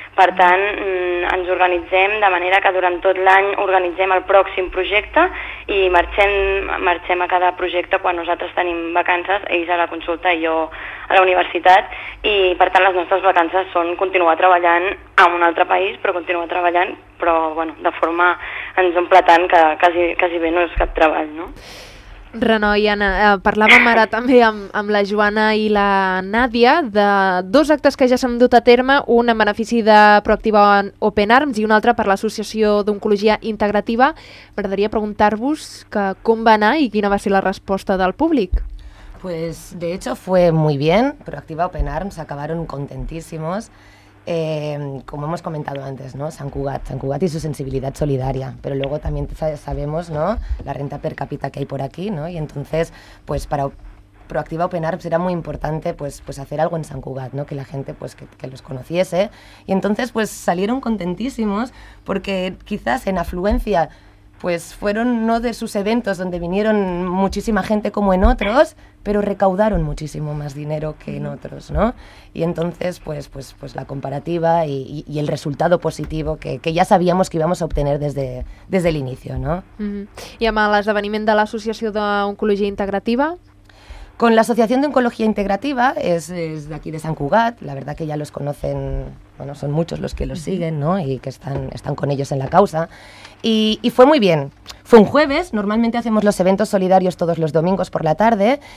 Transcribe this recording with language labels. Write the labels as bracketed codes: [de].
[ca] Per tant, ens organitzem de manera que durant tot l'any organitzem el pròxim projecte i marxem a cada projecte quan nosaltres tenim vacances, ells a la consulta i jo a la universitat, i per tant les nostres vacances són continuar treballant en un altre país, però continuar treballant, però bueno, de forma ens omple tant que quasi bé no és cap treball, no? Renoi, Anna, parlàvem ara també amb la Joana i la Nàdia de dos actes que ja s'han dut a terme, un en benefici de Proactiva Open Arms i un altre per l'Associació d'Oncologia Integrativa. M'agradaria preguntar-vos que com va anar i quina va ser la resposta del públic. [es] Pues, de hecho, fue muy bien. Proactiva Open Arms acabaron contentísimos. Como hemos comentado antes, ¿no? San Cugat y su sensibilidad solidaria, pero luego también sabemos, ¿no?, la renta per cápita que hay por aquí, ¿no? Y entonces, pues para Proactiva Open Arms era muy importante pues hacer algo en San Cugat, ¿no? Que la gente pues que los conociese, y entonces pues salieron contentísimos porque quizás en afluencia pues fueron no de sus eventos donde vinieron muchísima gente como en otros, pero recaudaron muchísimo más dinero que en otros, ¿no? Y entonces, pues la comparativa y el resultado positivo que ya sabíamos que íbamos a obtener desde el inicio, ¿no? Uh-huh. [ca] ¿Y amb l'esdeveniment de l'Associació d'Oncologia Integrativa? [es] Con la Asociación de Oncología Integrativa, es de aquí de San Cugat, la verdad que ya los conocen, bueno, son muchos los que los siguen, ¿no? Y que están con ellos en la causa. Y fue muy bien. Fue un jueves, normalmente hacemos los eventos solidarios todos los domingos por la tarde.